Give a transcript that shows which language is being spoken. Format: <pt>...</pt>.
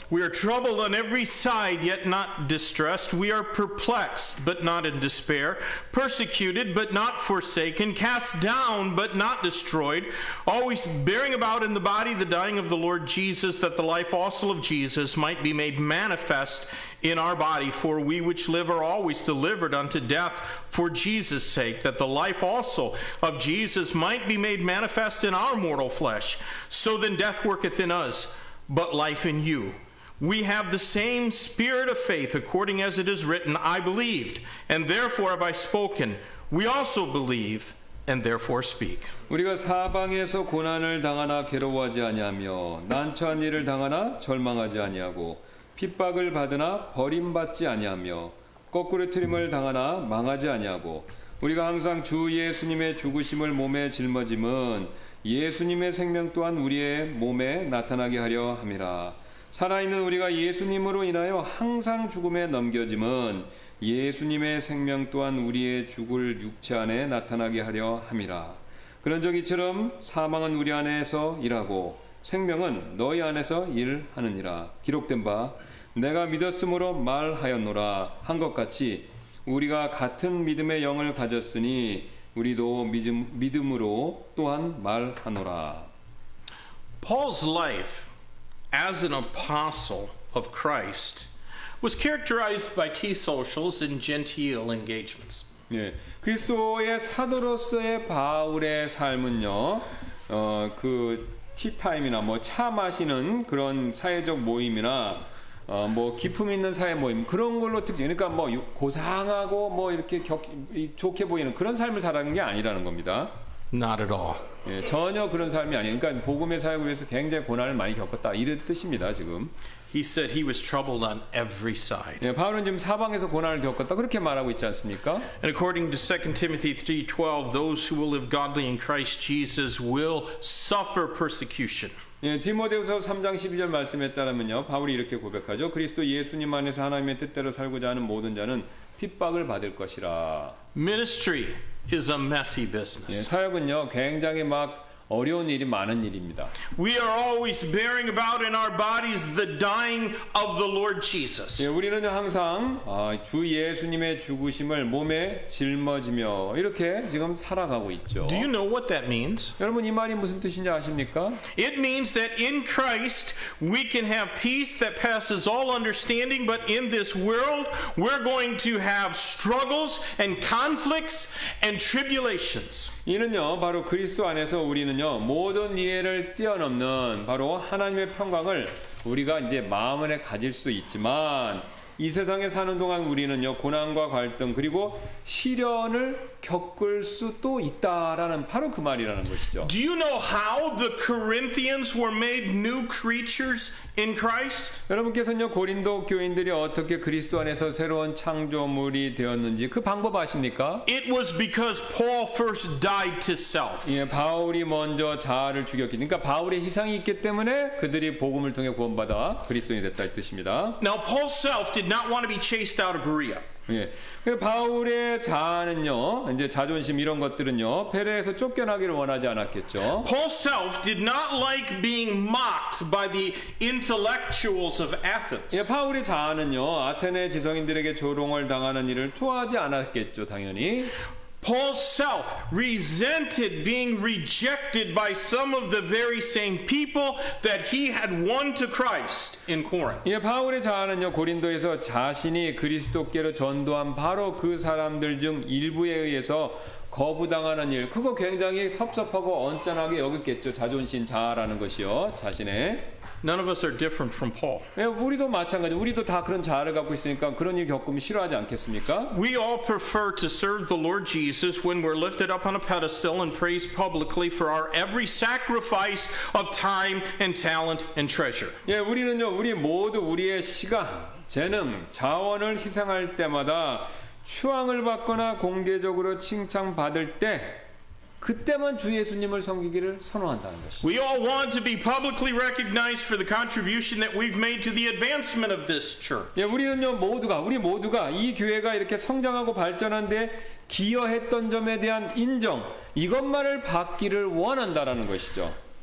<en>We are troubled on every side yet not distressed. We are perplexed but not in despair, persecuted but not forsaken, cast down but not destroyed, always bearing about in the body the dying of the Lord Jesus that the life also of Jesus might be made manifest in our body, for we which live are always delivered unto death for Jesus' sake, that the life also of Jesus might be made manifest in our mortal flesh. So then death worketh in us, but life in you. We have the same spirit of faith, according as it is written, I believed, and therefore have I spoken. We also believe, and therefore speak.</en> <ko>우리가 사방에서 고난을 당하나 괴로워하지 아니하며, 난처한 일을 당하나 절망하지 아니하고, 핍박을 받으나 버림받지 아니하며 거꾸로트림을 당하나 망하지 아니하고 우리가 항상 주 예수님의 죽으심을 몸에 짊어짐은 예수님의 생명 또한 우리의 몸에 나타나게 하려 함이라. 살아있는 우리가 예수님으로 인하여 항상 죽음에 넘겨짐은 예수님의 생명 또한 우리의 죽을 육체 안에 나타나게 하려 함이라. 그런즉 이처럼 사망은 우리 안에서 일하고 생명은 너희 안에서 일하느니라. 기록된 바 내가 믿었으므로 말하였노라 한 것 같이 우리가 같은 믿음의 영을 가졌으니 우리도 믿음으로 또한 말하노라.</ko> <en>Paul's life as an apostle of Christ was characterized by tea socials and genteel engagements.</en> <ko>예, 그리스도의 사도로서의 바울의 삶은요, 그 티타임이나 뭐 차 마시는 그런 사회적 모임이나 뭐 기품 있는 사회 모임 그런 걸로 특징. 그러니까 뭐 고상하고 뭐 이렇게 좋게 보이는 그런 삶을 살았는 게 아니라는 겁니다.</ko> <en>Not at all.</en> <ko>예, 전혀 그런 삶이 아니에요. 그러니까 복음의 사역을 위해서 굉장히 고난을 많이 겪었다 이런 뜻입니다. 지금.</ko> <en>He said he was troubled on every side.</en> <ko>예, 바울은 지금 사방에서 고난을 겪었다 그렇게 말하고 있지 않습니까?</ko> <en>And according to 2 Timothy 3:12, those who will live godly in Christ Jesus will suffer persecution.</en> <ko>예, 디모데후서 3장 12절 말씀에 따르면요, 바울이 이렇게 고백하죠. 그리스도 예수님 안에서 하나님의 뜻대로 살고자 하는 모든 자는 핍박을 받을 것이라.</ko> <en>Ministry is a messy business.</en> <ko>예, 사역은요, 굉장히 막 어려운 일이 많은 일입니다.</ko> <en>We are always bearing about in our bodies the dying of the Lord Jesus.</en> <ko>예, 우리는 항상 주 예수님의 죽으심을 몸에 짊어지며 이렇게 지금 살아가고 있죠.</ko> <en>Do you know what that means?</en> <ko>여러분 이 말이 무슨 뜻인지 아십니까?</ko> <en>It means that in Christ we can have peace that passes all understanding, but in this world we're going to have struggles and conflicts and tribulations.</en> <ko>이는요, 바로 그리스도 안에서 우리는요, 모든 이해를 뛰어넘는 바로 하나님의 평강을 우리가 이제 마음 안에 가질 수 있지만, 이 세상에 사는 동안 우리는요, 고난과 갈등 그리고 시련을 겪을 수도 있다라는 바로 그 말이라는 것이죠.</ko> <en>Do you know how the Corinthians were made new creatures in Christ?</en> <ko>여러분께서는요, 고린도 교인들이 어떻게 그리스도 안에서 새로운 창조물이 되었는지 그 방법 아십니까?</ko> <en>It was because Paul first died to self.</en> <ko>예, 바울이 먼저 자아를 죽였기 때문에, 그러니까 바울의 희생이 있기 때문에 그들이 복음을 통해 구원받아 그리스도인이 됐다 이 뜻입니다.</ko> <en>Now Paul's self did not want to be chased out of Berea.</en> <ko>예, 바울의 자아는요, 이제 자존심 이런 것들은요, 베레에서 쫓겨나기를 원하지 않았겠죠.</ko> <en>Paul self did not like being mocked by the intellectuals of Athens.</en> <ko>예, 바울의 자아는요, 아테네 지성인들에게 조롱을 당하는 일을 좋아하지 않았겠죠, 당연히. Paul self resented being rejected by some of the very same people that he had won to Christ in Corinth. 예, 바울의 자아는요, 고린도에서 자신이 그리스도께로 전도한 바로 그 사람들 중 일부에 의해서 거부당하는 일, 그거 굉장히 섭섭하고 언짢하게 여겼겠죠. 자존심 자아라는 것이요, 자신의.</ko> <en>None of us are different from Paul.</en> <ko>예, 우리도 마찬가지. 우리도 다 그런 자아를 갖고 있으니까 그런 일 겪으면 싫어하지 않겠습니까?</ko> <en>We all prefer to serve the Lord Jesus when we're lifted up on a pedestal and praised publicly for our every sacrifice of time and talent and treasure.</en> <ko>예, 우리는요, 우리 모두 우리의 시간, 재능, 자원을 희생할 때마다 추앙을 받거나 공개적으로 칭찬받을 때 그때만 주 예수님을 섬기기를 선호한다는 것이죠.</ko> <en>We all want to be publicly recognized for the contribution that we've made to the advancement of this church.</en> <ko>예, 우리는요, 우리 모두가 이 교회가 이렇게 성장하고 발전한 데 기여했던 점에 대한 인정, 이것만을 받기를 원한다라는 것이죠.</ko>